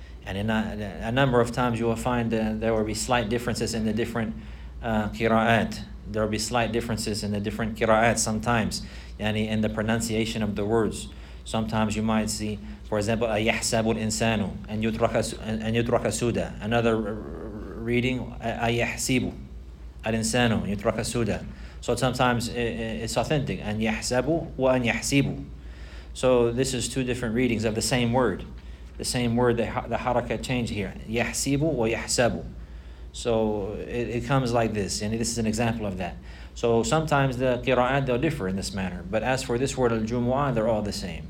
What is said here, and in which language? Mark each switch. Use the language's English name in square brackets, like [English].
[English] And in a number of times you will find there will be slight differences in the different qira'at. There will be slight differences in the different qira'at sometimes, yani in the pronunciation of the words. [Arabic] Sometimes you might see, for example, أَيَحْسَبُ الْإِنسَانُ أَنْ يُتْرَكَ سُودًا. Another reading, أَيَحْسِبُ الْإِنسَانُ أَنْ يُتْرَكَ سُودًا. [English] So sometimes it's authentic. [Arabic] أَنْ يَحْسَبُ وَأَنْ يَحْسِبُ. [English] So this is two different readings of the same word. The same word, the haraka changed here. [Arabic] يَحْسِبُ وَيَحْسَبُ. [English] So it comes like this, and this is an example of that. So sometimes the qira'at, they'll differ in this manner. But as for this word al-jumu'ah, they're all the same.